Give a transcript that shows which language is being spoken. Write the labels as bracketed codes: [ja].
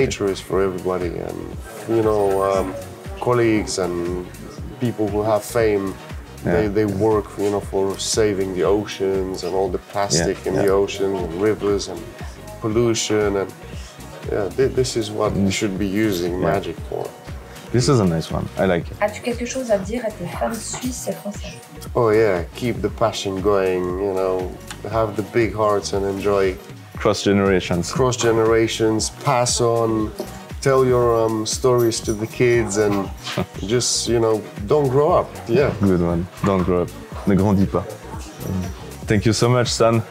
[en] Nature is for everybody, and you know, colleagues and people who have fame, they work, you know, for saving the oceans and all the plastic in the oceans and rivers and pollution, and this is what you should be using magic for. This is a nice one. I like it. [fr] As-tu quelque chose à dire à tes fans suisses et français? [en] Oh yeah, keep the passion going. You know, have the big hearts and enjoy. Cross generations, pass on, tell your stories to the kids, and just, you know, don't grow up. Yeah. Good one. Don't grow up. [fr] Ne grandis pas. [en] Thank you so much, Stan.